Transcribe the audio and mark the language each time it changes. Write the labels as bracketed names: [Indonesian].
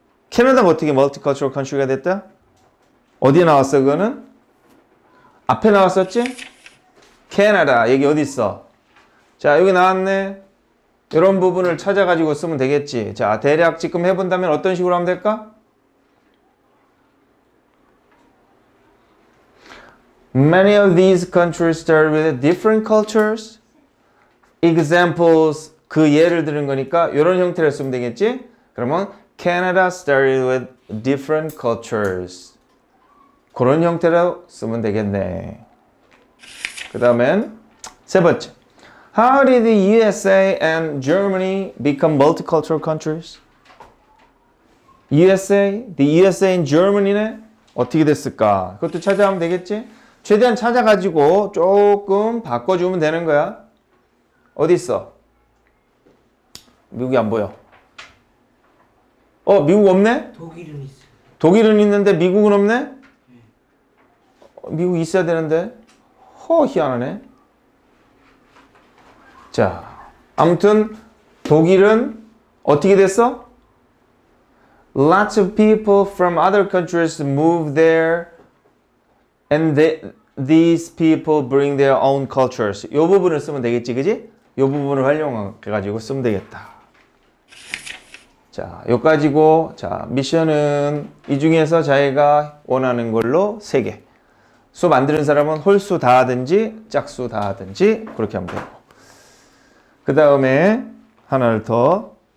[Korean] 캐나다가 어떻게 [English] multicultural country [Korean] 가 됐다? 어디에 나왔어, 그거는? 앞에 나왔었지? 캐나다, 여기 어디 있어? 자, 여기 나왔네. 이런 부분을 찾아가지고 쓰면 되겠지. 자, 대략 지금 해본다면 어떤 식으로 하면 될까? [English] 'Many of these countries start with different cultures. [Korean] Examples, 그 예를 들은 거니까 이런 형태로 쓰면 되겠지? 그러면 [English] Canada started with different cultures. [Korean] 그런 형태로 쓰면 되겠네. 그 다음엔 세 번째. [English] How did the USA and Germany become multicultural countries? USA? The USA and Germany네? [Korean] 어떻게 됐을까? 그것도 찾아하면 되겠지? 최대한 찾아가지고 조금 바꿔주면 되는 거야. 어디 있어? 미국이 안 보여. 어, 미국 없네? 독일은 있어. 독일은 있는데 미국은 없네? 미국 있어야 되는데. 허, 희한하네. 자, 아무튼 독일은 어떻게 됐어? [English] Lots of people from other countries move there and these people bring their own cultures. [Korean] 요 부분을 쓰면 되겠지, 그지? 요 부분을 활용해가지고 쓰면 되겠다. 자, 요까지고, 자, 미션은 이 중에서 자기가 원하는 걸로 세 개. 수 만드는 사람은 홀수 다 하든지 짝수 다 하든지 그렇게 하면 되고. 그 다음에 하나를 더